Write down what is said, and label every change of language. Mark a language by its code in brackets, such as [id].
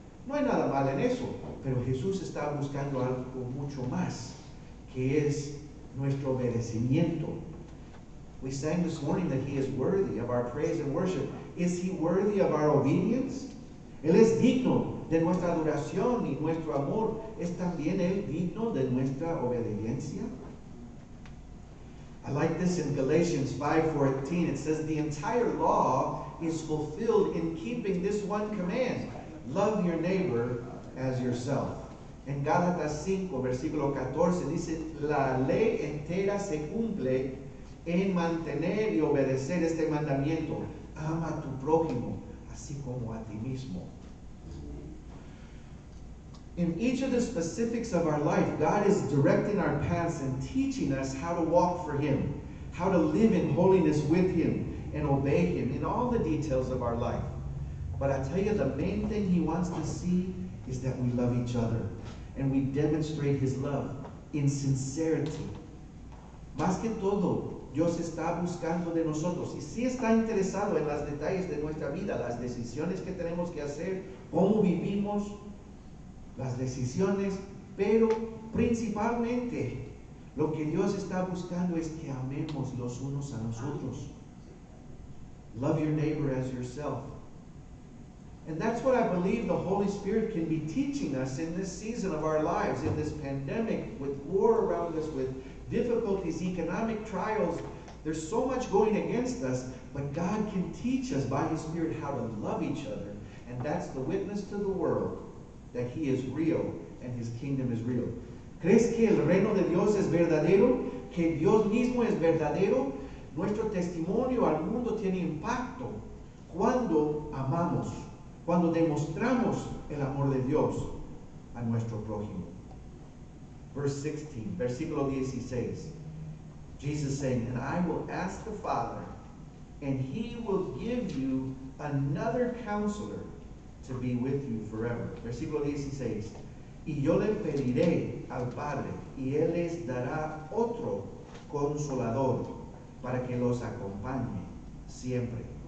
[es] No hay nada mal en eso. Pero Jesús está buscando algo mucho más, que es nuestro obedecimiento. [en] We sang this morning that he is worthy of our praise and worship. Is he worthy of our obedience? [es] Él es digno de nuestra adoración y nuestro amor. ¿Es también él digno de nuestra obediencia? [en] I like this in Galatians 5:14. It says, the entire law is fulfilled in keeping this one command. Love your neighbor as yourself. [es] En Gálatas 5, versículo 14, dice, la ley entera se cumple en mantener y obedecer este mandamiento. Ama a tu prójimo, así como a ti mismo. [en] In each of the specifics of our life, God is directing our paths and teaching us how to walk for him, how to live in holiness with him and obey him in all the details of our life. But I tell you, the main thing he wants to see is that we love each other and we demonstrate his love in sincerity. [es] Más que todo, Dios está buscando de nosotros y sí está interesado en los detalles de nuestra vida, las decisiones que tenemos que hacer, cómo vivimos, las decisiones, pero principalmente lo que Dios está buscando es que amemos los unos a los otros. [en] Love your neighbor as yourself. And that's what I believe the Holy Spirit can be teaching us in this season of our lives, in this pandemic, with war around us, with difficulties, economic trials. There's so much going against us, but God can teach us by his Spirit how to love each other. And that's the witness to the world that he is real and his kingdom is real. [es] ¿Crees que el reino de Dios es verdadero? ¿Que Dios mismo es verdadero? Nuestro testimonio al mundo tiene impacto cuando amamos, cuando demostramos el amor de Dios a nuestro prójimo. [en] Verse 16, versículo 16, Jesus saying, and I will ask the Father, and he will give you another counselor to be with you forever. [es] Versículo 16, y yo le pediré al Padre, y él les dará otro consolador para que los acompañe siempre.